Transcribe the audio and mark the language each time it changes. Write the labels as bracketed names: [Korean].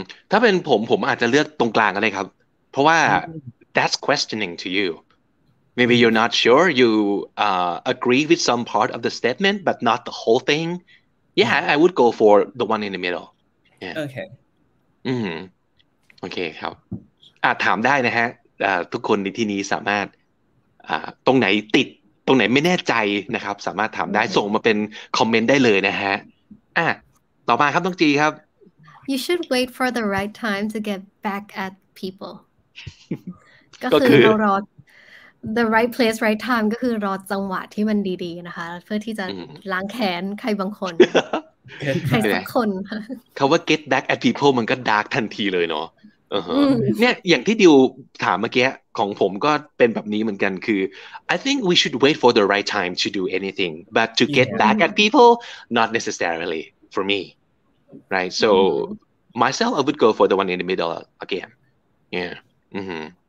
[Thai] ถ้าเป็นผมอาจจะเลือกตรงกลางก็ได้ครับเพราะว่า [English] that's questioning to you maybe you're not sure you agree with some part of the statement but not the whole thing yeah I would go for the one in the middle yeah okay [Thai] ครับอาจถามได้นะฮะทุกคนในที่นี้สามารถตรงไหนติดตรงไหนไม่แน่ใจนะครับสามารถถามได้ส่งมาเป็นคอมเมนต์ได้เลยนะฮะต่อมาครับต้องจีครับ [English] You should wait for the right time to get back at people [Thai] ก็คือ เรารอ [English] the right place right time [Thai] ก็คือรอจังหวะที่มันดีๆนะคะเพื่อที่จะล้างแค้นใครบางคน ใครสักคน คำว่า get dark at people มันก็ดาร์กทันทีเลยเนาะเนี่ยอย่างที่ดิวถามเมื่อกี้ของผมก็เป็นแบบนี้เหมือนกันคือ [English] I think we should wait for the right time to do anything but to get back at people not necessarily for me right so myself I would go for the one in the middle again yeah mm-hmm.